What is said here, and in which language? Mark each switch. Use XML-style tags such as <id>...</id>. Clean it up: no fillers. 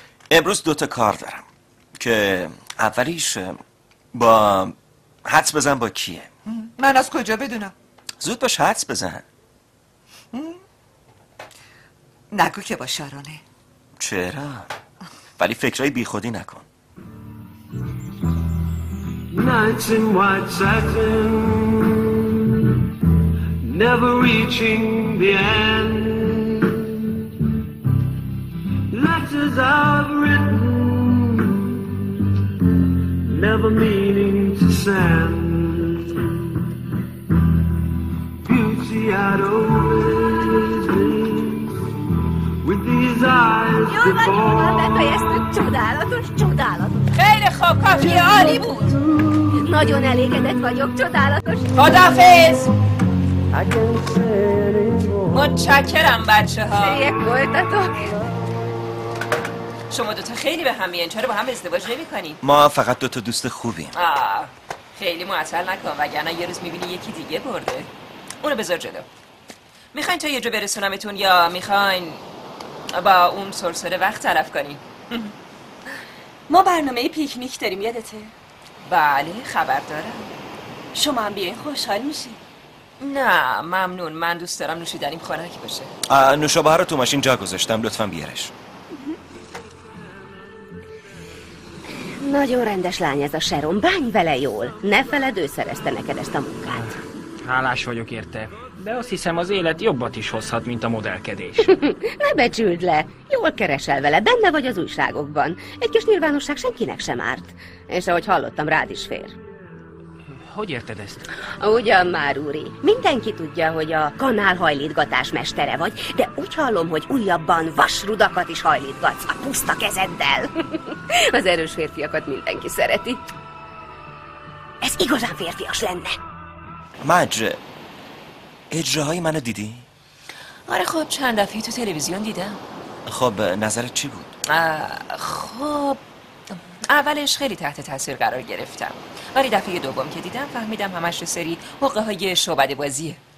<fa>امروز دوتا کار دارم که اولیش با حدس بزن با کیه. من از کجا بدونم؟ زود باش حدس بزن. نگو که با شارانه. چرا؟ ولی فکرهای بی خودی نکن.</fa> <en>Nights in white satin, never reaching the end. Letters I've written, never meaning to send. Beauty I'd always be with these eyes before.</en> <fa>خیلی خوب، کافی عالی بود. نادیون علی که دت با یک جو دلاتش خدافز. متشکرم بچه ها. شما دوتا خیلی به هم میان، چرا با هم ازدواج نمی کنین؟ ما فقط دوتا دوست خوبیم. خیلی معطل نکن، وگرنه یه روز میبینی یکی دیگه برده. اونو بذار جدا. میخواین تا یه جو برسونمتون یا میخواین با اون سرسره وقت تلف کنین؟ ما برنامه پیکنیک داریم یادته؟ بله خبر دارم. شما هم بیاین خوشحال میشین. نه ممنون، من دوست دارم نوشیدنیم خنک باشه. نوشابه رو تو ماشین جا گذاشتم، لطفا بیارش.</fa> <hu>Nagyon rendes lány ez a Sharon, bánj vele jól. Ne feledd, ő szerezte neked ezt a munkát. Hálás vagyok érte, de azt hiszem az élet jobbat is hozhat, mint a modellkedés. Ne becsüld le, jól keresel vele, benne vagy az újságokban. Egy kis nyilvánosság senkinek sem árt. És ahogy hallottam, rád is fér. Hogy érted ezt? Ugyan már, úri. Mindenki tudja, hogy a kanálhajlítgatás mestere vagy, de úgy hallom, hogy újabban vasrudakat is hajlítgatsz a puszta kezeddel. Az erős férfiakat mindenki szereti. Ez igazán férfias lenne.</hu> <fa>Madge, اجراهای منو دیدی؟ آره خب، چند دفعه تو تلویزیون دیدم. خب، نظرت چی بود؟ خب، اولش خیلی تحت تاثیر قرار گرفتم، ولی دفعه دوم که دیدم فهمیدم همش سری حقه های شعبده بازیه.</fa>